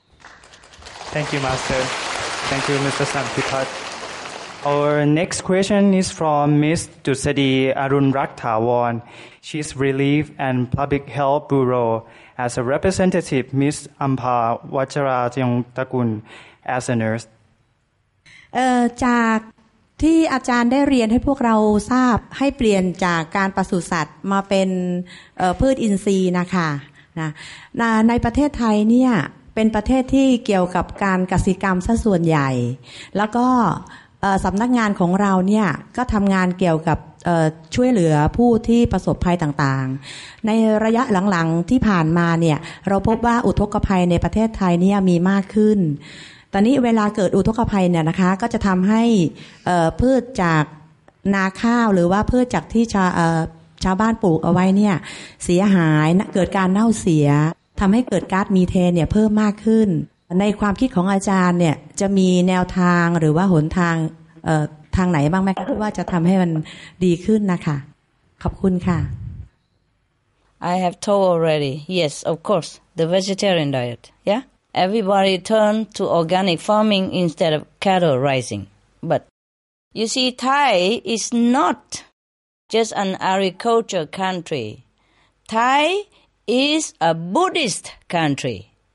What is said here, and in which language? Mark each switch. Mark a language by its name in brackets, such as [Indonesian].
[English] Thank you, Master. Thank you, Mr. Sanpipat. Our next question is from Ms. Dusadi Arunrakthawan. She's Relief and Public Health Bureau as a representative, Ms. Ampa Wacharajong Takun, as a nurse. [Thai] จากที่อาจารย์ได้เรียนให้พวกเราทราบให้เปลี่ยนจากการปศุสัตว์มาเป็นพืชอินทรีย์นะคะนะในประเทศไทยเนี่ยเป็นประเทศที่เกี่ยวกับการกสิกรรมซะส่วนใหญ่แล้วก็ สำนักงานของเราเนี่ยก็ทำงานเกี่ยวกับช่วยเหลือผู้ที่ประสบภัยต่างๆในระยะหลังๆที่ผ่านมาเนี่ยเราพบว่าอุทกภัยในประเทศไทยเนี่ยมีมากขึ้นตอนนี้เวลาเกิดอุทกภัยเนี่ยนะคะก็จะทำให้พืชจากนาข้าวหรือว่าพืชจากที่ ชาวบ้านปลูกเอาไว้เนี่ยเสียหายเกิดการเน่าเสียทำให้เกิดก๊าซมีเทนเนี่ยเพิ่มมากขึ้นในความคิดของอาจารย์เนี่ยจะมีแนวทางหรือว่าหนทางทางไหนบ้างไหมคะที่ว่าจะทำให้มันดีขึ้นนะคะขอบคุณค่ะ [English] I have told already yes of course the vegetarian diet yeah everybody turn to organic farming instead of cattle raising but you see Thai is not just an agriculture country Thaiis a Buddhist country.